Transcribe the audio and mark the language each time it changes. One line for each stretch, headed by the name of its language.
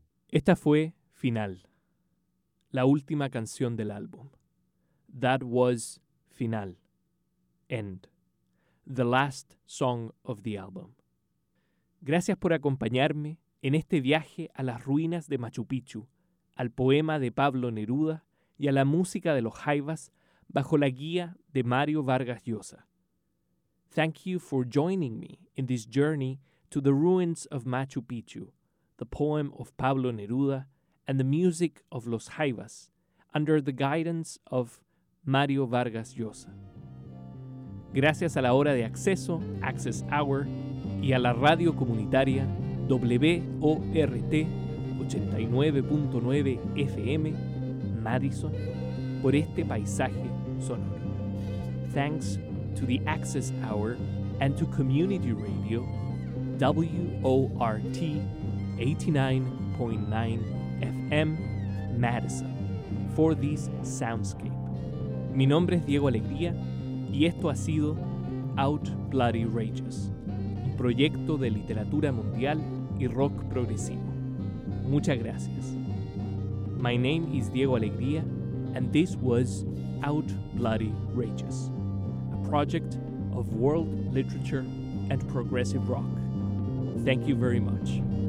Spanish: Esta fue Final, la última canción del álbum.
English: That was Final, End, the last song of the album.
Spanish: Gracias por acompañarme en este viaje a las ruinas de Machu Picchu, al poema de Pablo Neruda y a la música de los Jaivas bajo la guía de Mario Vargas Llosa.
English: Thank you for joining me in this journey to the ruins of Machu Picchu, the poem of Pablo Neruda and the music of los Jaivas under the guidance of Mario Vargas Llosa.
Spanish: Gracias a la Hora de Acceso, Access Hour, y a la radio comunitaria WORT 89.9 FM Madison por este paisaje sonoro.
English: Thanks to the Access Hour and to Community Radio WORT 89.9 FM Madison for this soundscape.
Spanish: Mi nombre es Diego Alegría y esto ha sido Out Bloody Rages, un proyecto de literatura mundial y rock progresivo. Muchas gracias.
English: My name is Diego Alegría, and this was Out Bloody Rages, a project of world literature and progressive rock. Thank you very much.